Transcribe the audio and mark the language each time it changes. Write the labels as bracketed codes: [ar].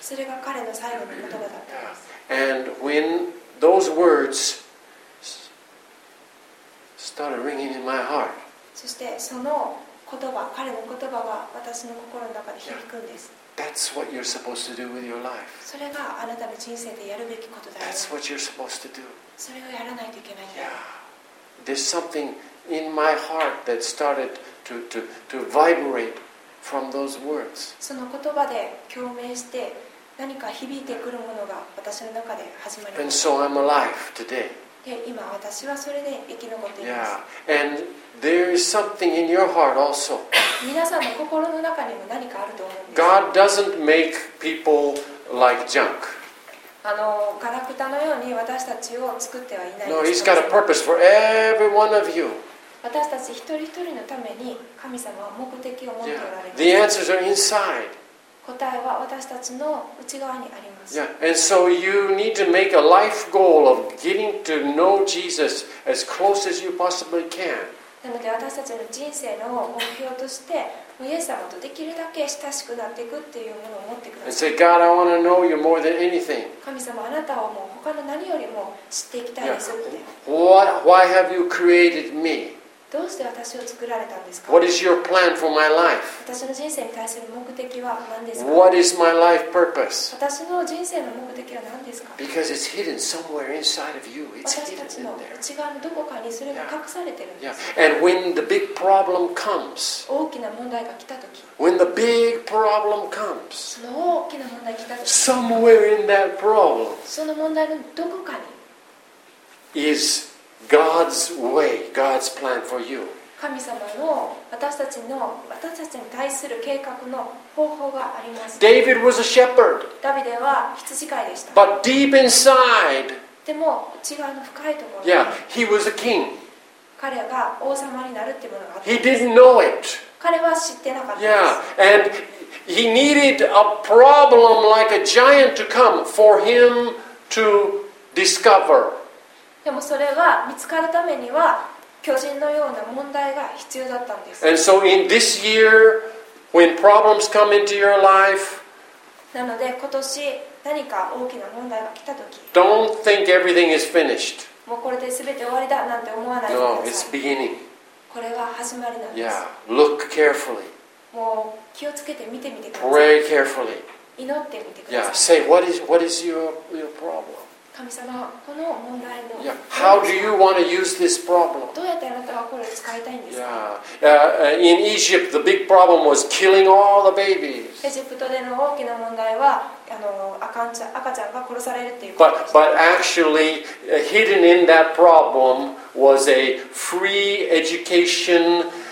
[ja] それが彼の最後の言葉だったんです。 [en] And when those words started ringing in my heart. [ja] そしてその言葉、彼の言葉が私の心の中で響くんです。 [en] That's what you're supposed to do with your life. [ja] それがあなたの人生でやるべきことだよ。 [en] That's what you're supposed to do. [ja] それをやらないといけない。 [en] Yeah. There's something in my heart that started to vibrate. From those words. [ja] その言葉で共鳴して何か響いてくるものが私の中で始まりました。 [en] And so I'm alive today. [ja] で、今私はそれで生き残っています。 [en] Yeah. And there is something in your heart also. [ja] 皆さんの心の中にも何かあると思うんです。 [en] God doesn't make people like junk. [ja] ガラクタのように私たちを作ってはいない。 [en] No, He's got a purpose for every one of you. [ja] 私たち一人一人のために神様は目的を持っておられます。 [en] The answers are inside. [ja] 答えは私たちの内側にあります。 [en] Yeah. And so you need to make a life goal of getting to know Jesus as close as you possibly can. [ja] なので私たちの人生の目標としてイエス様とできるだけ親しくなっていくっていうものを持ってください。 [en] And say, God, I want to know you more than anything. [ja] 神様、あなたをもう他の何よりも知っていきたいですって。 [en] Yeah. Why have you created me? [ja] どうして私を作られたんですか? [en] What is your plan for my life? [ja] 私の人生に対する目的は何ですか? [en] What is my life purpose? [ja] 私の人生の目的は何ですか? [en] Because it's hidden somewhere inside of you. It's hidden in there. [ja] 私たちの内側のどこかにそれが隠されてるんです。 [en] Yeah. Yeah. And when the big problem comes, [ja] 大きな問題が来た時、 [en] When the big problem comes, [ja] その大きな問題が来た時、 [en] Somewhere in that problem, [ja] その問題のどこかに、 [en] isGod's way, God's plan for you. [ja] 神様の私たちに対する計画の方法があります。 [en] David was a shepherd. [ja] ダビデは羊飼いでした。 [en] But deep inside, [ja] でも内側の深いところ、 [en] yeah, he was a king. [ja] 彼が王様になるっていうものがあったんです。 [en] He didn't know it. [ja] 彼は知ってなかったんです。 [en] Yeah, and he needed a problem like a giant to come for him to discover. [ja] でもそれは見つかるためには巨人のような問題が必要だったんです。 [en] And so in this year, when problems come into your life, [ja] なので今年何か大きな問題が来た時、 [en] Don't think everything is finished. [ja] もうこれで全て終わりだなんて思わないでください。 [en] No, it's beginning. [ja] これは始まりなんです。 [en] Yeah, look carefully. [ja] もう気をつけて見てみてください。 [en] Pray carefully. [ja] 祈ってみてください。 [en] Yeah, say what is your problem? [ja] 神様、この問題の。 [en] Yeah, how do you want to use this problem? [ja] どうやってあなたはこれを使いたいんですか [en] ？Yeah, in Egypt, the big problem was killing all the babies. [ja] エジプトでの大きな問題は赤ちゃんが殺されるっていうこと。 [en] But actually, hidden in that problem was a free education.